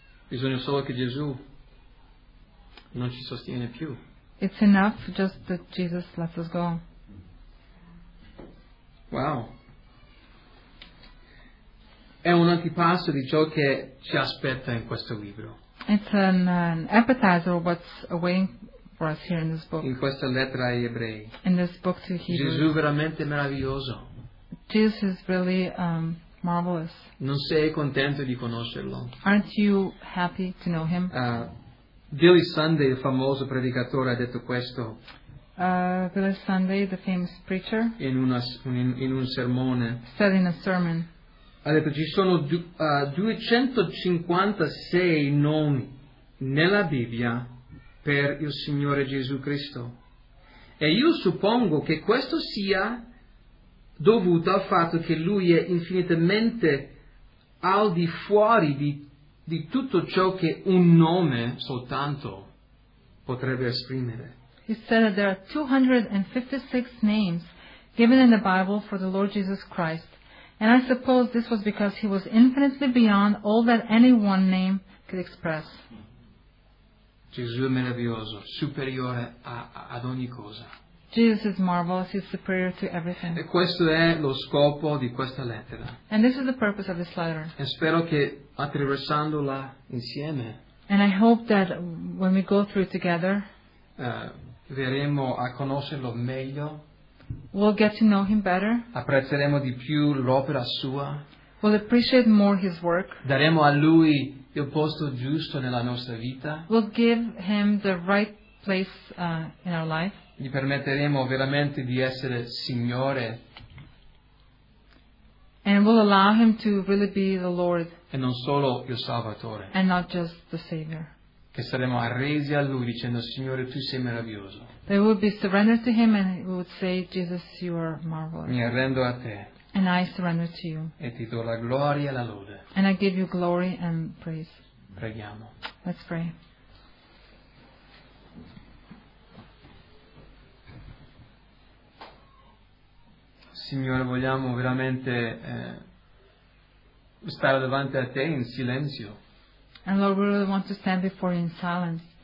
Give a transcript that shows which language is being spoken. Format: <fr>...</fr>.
<it>Bisogna solo che Gesù non ci sostiene più.</it> <en>It's enough just that Jesus lets us go. Wow.</en> <it>È un antipasto di ciò che ci aspetta in questo libro.</it> <en>It's an appetizer of what's awaiting for us here in this book.</en> <it>In questa lettera agli ebrei.</it> <en>In this book to Hebrews.</en> <it>Gesù veramente meraviglioso.</it> <en>Jesus is really marvelous.</en> <it>Non sei contento di conoscerlo?</it> <en>Aren't you happy to know him?</en> <it>Billy Sunday, il famoso predicatore, ha detto questo.</it> <en>Billy Sunday, the famous preacher,</en> <it>in un sermone,</it> <en>said in a sermon,</en> <it>ha detto: ci sono 256 nomi nella Bibbia per il Signore Gesù Cristo. E io suppongo che questo sia dovuto al fatto che lui è infinitamente al di fuori di tutto ciò che un nome soltanto potrebbe esprimere.</it> <en>He said that there are 256 names given in the Bible for the Lord Jesus Christ, and I suppose this was because he was infinitely beyond all that any one name could express.</en> <it>Gesù è meraviglioso, superiore ad ogni cosa.</it> <en>Jesus is marvelous, he is superior to everything.</en> <it>E questo è lo scopo di questa lettera.</it> <en>And this is the purpose of this letter.</en> <it>E spero che attraversandola insieme,</it> <en>and I hope that when we go through it together,</en> <it>verremo a conoscerlo meglio.</it> <en>We'll get to know him better.</en> <it>Apprezzeremo di più l'opera sua.</it> <en>We'll appreciate more his work.</en> <it>Daremo a lui il posto giusto nella nostra vita.</it> <en>We'll give him the right place in our life.</en> <it>Gli permetteremo veramente di essere Signore.</it> <en>And we'll allow him to really be the Lord.</en> <it>E non solo il Salvatore.</it> <en>And not just the Savior.</en> <it>Che saremo arresi a lui dicendo: Signore, tu sei meraviglioso.</it> <en>They would be surrendered to him and we would say: Jesus, you are marvelous.</en> <it>Mi arrendo a te.</it> <en>And I surrender to you.</en> <it>E ti do la gloria e la lode.</it> <en>And I give you glory and praise.</en> <it>Preghiamo.</it> <en>Let's pray.</en> <it>Signore, vogliamo veramente stare davanti a te in silenzio.</it> <en>And Lord, we really want to stand before you in silence.</en>